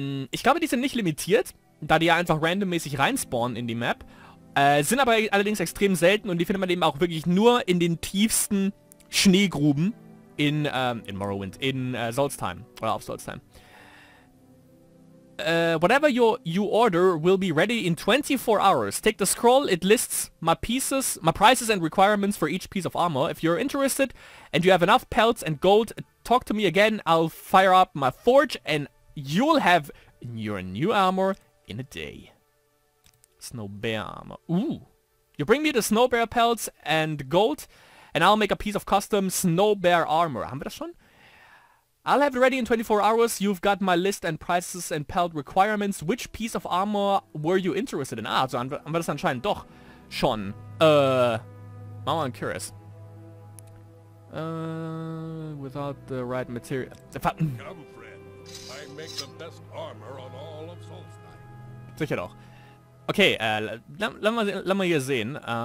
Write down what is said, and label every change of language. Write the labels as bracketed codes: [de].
[de] Ich glaube, die sind nicht limitiert, da die ja einfach randommäßig reinspawnen in die Map. Sind aber allerdings extrem selten und die findet man eben auch wirklich nur in den tiefsten Schneegruben in Morrowind, in Solstheim oder auf Solstheim. [en] Whatever you order will be ready in 24 hours. Take the scroll, it lists my prices and requirements for each piece of armor. If you're interested and you have enough pelts and gold, talk to me again. I'll fire up my forge and you'll have your new armor in a day. Snow bear armor. Ooh. You bring me the snow bear pelts and gold and I'll make a piece of custom snow bear armor. [de] Haben wir das schon? [en] I'll have it ready in 24 hours. You've got my list and prices and pelt requirements. Which piece of armor were you interested in? [de] Ah, also haben wir das anscheinend doch schon. [en] Mal I'm curious. Without the right material. Come, friend. I make the best armor on all of Solstheim. [de] Sicher doch. Okay, lass mal hier sehen.